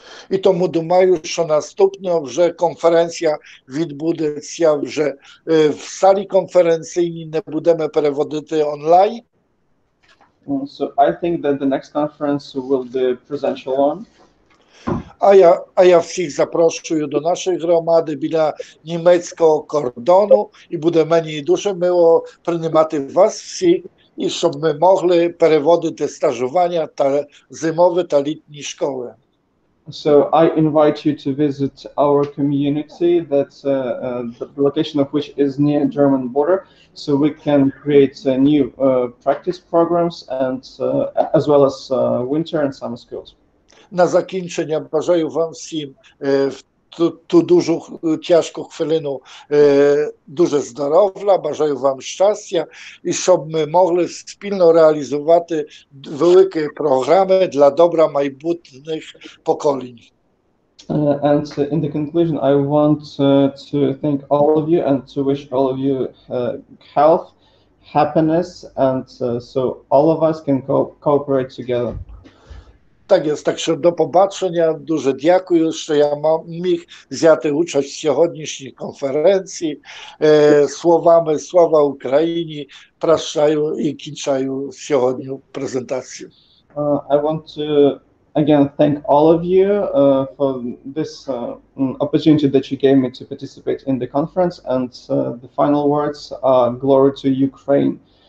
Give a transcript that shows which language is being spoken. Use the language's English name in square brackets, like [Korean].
[Ukrainian] І тому думаю, що наступна вже конференція відбудеться вже в салі конференційній, не будемо переводити онлайн. [English] So I think that the next conference will be presential one. [Ukrainian] А я всіх запрошую до нашої громади біля німецького кордону, і буде мені дуже мило приймати вас всіх, і щоб ми могли переводити стажування та зимові та літні школи. [English] So I invite you to visit our community, that's the location of which is near German border, so we can create new practice programs and as well as winter and summer schools. [Ukrainian] На закінчення бажаю вам всім ту дуже тяжку хвилину дуже здоров'я, бажаю вам щастя, і щоб ми могли спільно реалізувати великі програми для добра майбутніх поколінь. [English] And in the conclusion, I want to thank all of you and to wish all of you health, happiness, and so all of us can cooperate together. [Ukrainian] Так є, так що до побачення, дуже дякую, що я міг взяти участь в сьогоднішній конференції. Словами «Слава Україні» прощаю і кінчаю сьогодні презентацію. [English] I want to again thank all of you for this opportunity that you gave me to participate in the conference, and the final words are glory to Ukraine.